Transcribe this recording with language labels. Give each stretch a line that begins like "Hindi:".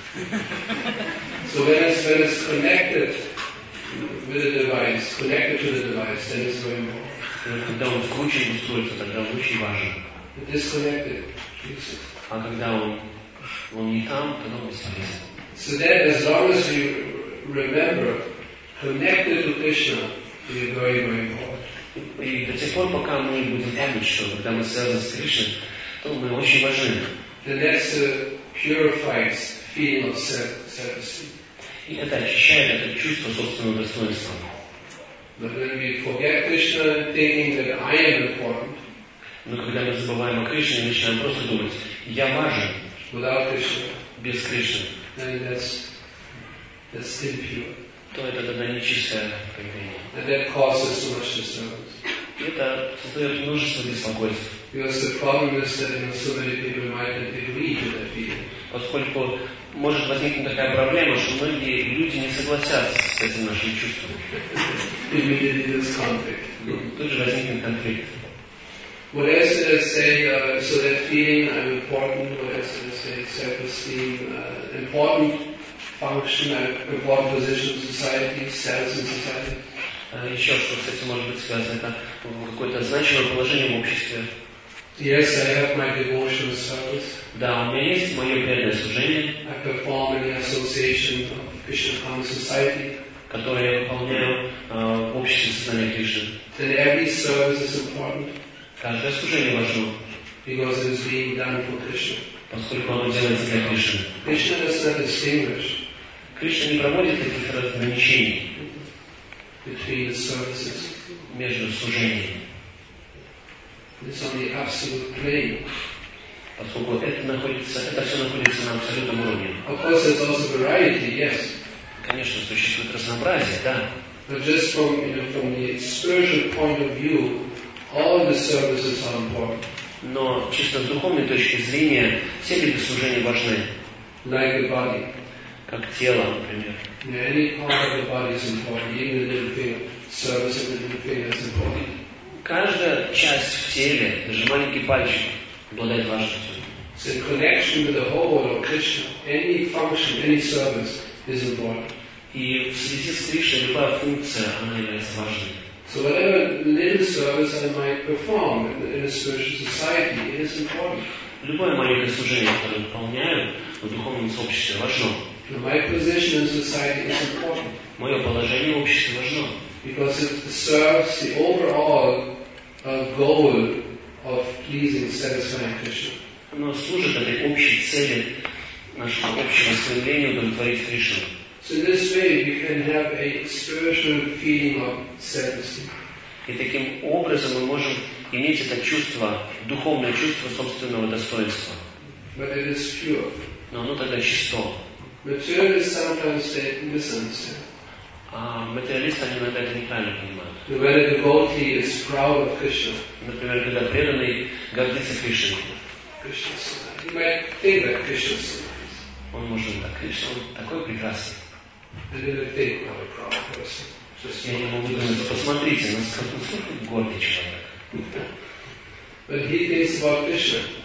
English: So when it's connected with a device, connected to the device, then it's very important.
Russian: Когда он вкручен в устройство, тогда он очень важен.
English: Disconnected.
Russian: А когда он не там, тогда он бесполезен.
English: So then, as long as you remember, connected to Krishna, you are very, very important.
Russian: И до тех пор, пока мы будем помнить, что когда мы связаны с Кришной, то мы очень важны.
English: Then that's a purified feeling of self-esteem.
Russian: И это очищает это чувство собственного достоинства.
English: But when we forget Krishna, thinking that I am important.
Russian: Но когда мы забываем о Кришне, мы начинаем просто думать, я важен.
English: Without Krishna.
Russian: Без Кришны.
English: Then that's still pure.
Russian: То это тогда нечистое поведение.
English: And that causes so much disturbance.
Russian: Это создает множество беспокойств.
English: Because the problem is that so many people might not agree to that feeling.
Russian: Поскольку может возникнуть такая проблема, что многие люди не согласятся с этим нашим чувством.
English: Immediately there's conflict.
Russian: Тут же возникнет конфликт.
English: What else did I say? So that feeling I'm important, what else did I say? Self-esteem, important function, important position in society, status in society.
Russian: Еще что, кстати, может быть связано в какое-то значимое положение в обществе.
English: Yes, I have my devotional service.
Russian: Да, у меня есть мое преданное служение.
English: I perform in the association of Krishna Consciousness Society.
Russian: Которое я выполняю в обществе сознания Кришны.
English: Then every service is important.
Russian: Каждое служение важно.
English: Because it's being done for Krishna.
Russian: Поскольку оно делается для Кришны.
English: Krishna does not distinguish.
Russian: Кришна не проводит этих разграничений.
English: Between the services.
Russian: Между служениями.
English: It's only absolute plane.
Russian: Поскольку это все находится на абсолютном уровне.
English: Of course, there's also variety, yes.
Russian: Конечно, существует разнообразие, да.
English: But just from, you know, from the spiritual point of view, all the services are important.
Russian: Но чисто с духовной точки зрения все виды служения важны.
English: Like the body.
Russian: Как тело, например.
English: Yeah, any part of the body is important. Even the little thing, service of the little thing is important.
Russian: Каждая часть в теле, даже маленький пальчик, обладает важностью.
English: So in connection with the whole world of Krishna, any function, any service is important.
Russian: И в связи с Кришной любая функция, она является важной.
English: So whatever little service I might perform in a spiritual society is important.
Russian: Любое маленькое служение, которое выполняю в духовном сообществе, важно.
English: My position in society is important.
Russian: Мое положение в обществе важно.
English: Because it serves the overall goal of pleasing, satisfying Krishna.
Russian: Оно служит этой общей цели, нашему общему стремлению удовлетворить Кришну.
English: So in this way you can have a spiritual feeling of satisfaction.
Russian: И таким образом мы можем иметь это чувство, духовное чувство собственного достоинства.
English: But it is pure.
Russian: Но оно тогда чисто.
English: Materialists sometimes say misunderstand.
Russian: А материалисты иногда это неправильно понимают.
English: So when a devotee is proud of Krishna.
Russian: Например, когда преданный гордится Кришной.
English: Krishna. You might think that Krishna is.
Russian: Он может так, Кришна, он такой прекрасный. Я не могу думать, посмотрите, насколько гордый человек.